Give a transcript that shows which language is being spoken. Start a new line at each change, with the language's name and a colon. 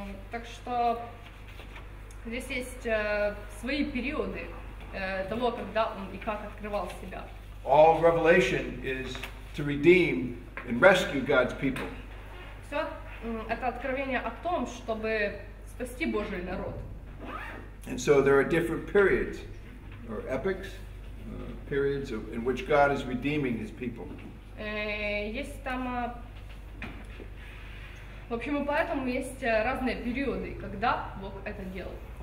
Russian: Так что здесь есть свои периоды того, когда он и как открывал себя.
English: All revelation is to redeem and rescue God's people.
Russian: Все это откровение о том, чтобы спасти Божий народ.
English: And so there are different periods or epochs, periods of, in which God is redeeming his people.
Russian: Есть там, в общем, и поэтому есть разные периоды, когда Бог это делает.